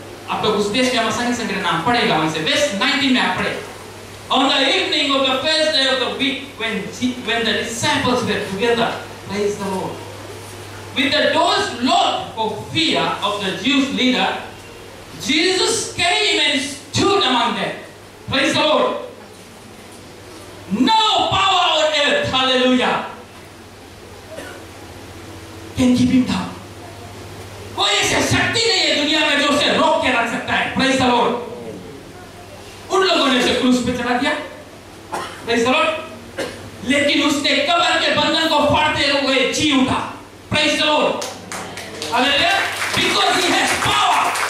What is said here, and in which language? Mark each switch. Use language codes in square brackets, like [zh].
[hi] आप लोग उस देश में आसानी से मेरा नाम पढ़ेगा वहां से. Verse 19 में आप पढ़े. [en] On the evening of the first day of the week, when the disciples were together, praise the Lord, with the doors locked for fear of the Jewish leader, Jesus came and stood among them. Praise the Lord. No power on earth, hallelujah, can keep him down. [hi] कोई ऐसी शक्ति नहीं है दुनिया में जो उसे रोक के रख सकता है. [en] Praise the Lord. [hi] उन लोगों ने उसे क्रूस पे चढ़ा दिया. [en] Praise the Lord. [hi] लेकिन उसने कब्र के बंधन को फाड़ते हुए जी उठा. [en] Praise the Lord. Hallelujah. Because he has power.